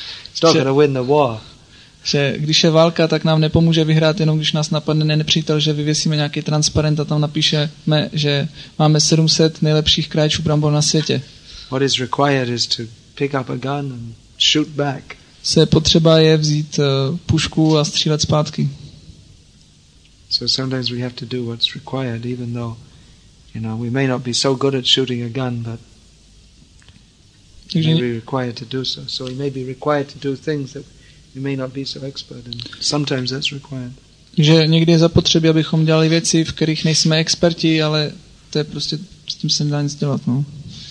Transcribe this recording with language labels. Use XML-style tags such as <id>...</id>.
<en>It's not going to win the war.</en> <cs>Že když je válka, tak nám nepomůže vyhrát, jenom když nás napadne nepřítel, že vyvěsíme nějaký transparent a tam napíšeme, že máme 700 nejlepších krajčů brambor na světě.</cs> <en>What is required is to pick up a gun and shoot back.</en> <cs>Se potřeba je vzít pušku a střílet zpátky.</cs> <en>So sometimes we have to do what's required, even though, you know, we may not be so good at shooting a gun, but we may be required to do so. So we may be required to do things that you may not be so expert in. Sometimes that's required.</en> <cs>Že někdy je zapotřebí, abychom dělali věci, v kterých nejsme experti, ale to je prostě, s tím se nedá nic dělat, no.</cs>